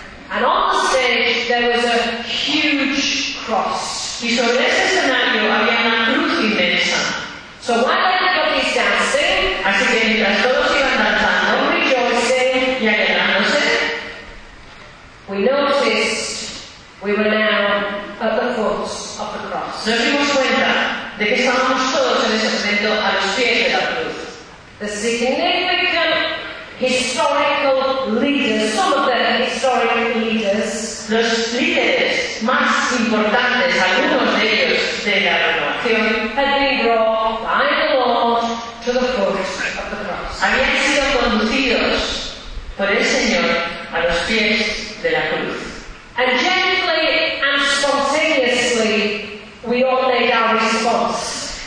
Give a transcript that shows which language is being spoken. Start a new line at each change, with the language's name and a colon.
English: And on the stage there was a huge cross.
Spanish: Y sobre ese escenario había una cruz inmensa.
English: So while everybody is dancing,
Spanish: así que mientras todos iban danzando,
English: rejoicing
Spanish: y alegrándose,
English: we noticed we were now at the foot of the cross.
Spanish: Nos dimos cuenta de que estábamos todos en ese momento a los pies de la cruz.
English: The significant historical leaders, some of the historic leaders,
Spanish: los líderes más importantes, algunos de ellos de la renovación,
English: had been brought by the Lord to the foot of the cross.
Spanish: Habían sido conducidos por el Señor a los pies de la cruz.
English: And gently and spontaneously, we all made our response.